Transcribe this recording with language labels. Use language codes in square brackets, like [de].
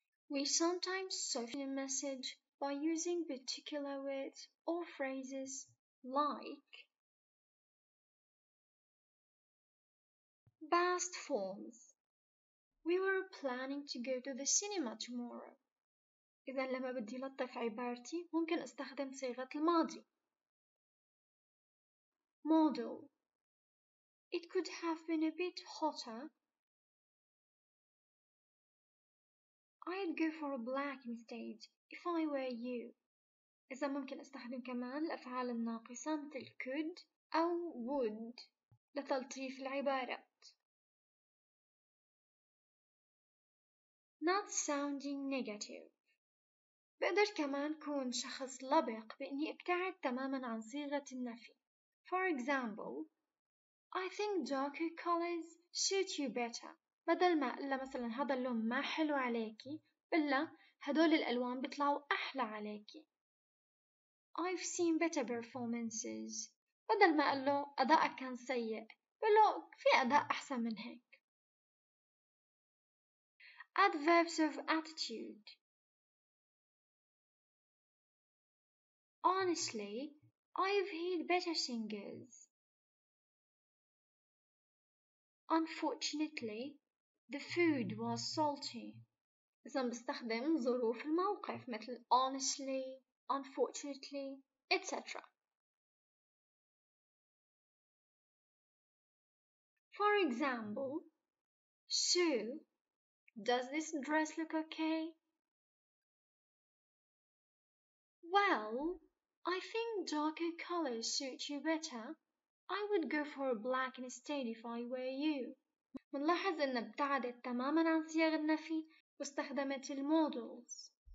[en] We sometimes soften a message by using particular words or phrases like past forms. We were planning to go to the cinema tomorrow. [ar] إذا لما بدي لطف عبارتي ممكن استخدم صيغة الماضي. [en] Model. It could have been a bit hotter. I'd go for a black instead if I were you. [ar] إذا ممكن استخدم كمان الأفعال الناقصة مثل could أو would لتلطيف العبارات. [en] Not sounding negative. [ar] بقدر كمان كون شخص لبق بإني ابتعد تماماً عن صيغة النفي. [en] For example, I think darker colors suit you better. [ar] بدل ما أقول مثلاً هذا اللون ما حلو عليكي، بلا هدول الألوان بيطلعوا أحلى عليكي. [en] I've seen better performances. [ar] بدل ما أقول له أداءك كان سيء، بقول له في أداء أحسن من هيك. [en] Adverbs of attitude. Honestly, I've heard better singers. Unfortunately, the food was salty. [ar] إذا بستخدم ظروف الموقف مثل honestly, unfortunately, etc. [en] For example, Sue, does this dress look okay? Well, I think darker colors suit you better. I would go for a black instead if I were you. [ar] منلاحظ ان ابتعدت تماما عن صيغ النفي واستخدمت المودلز.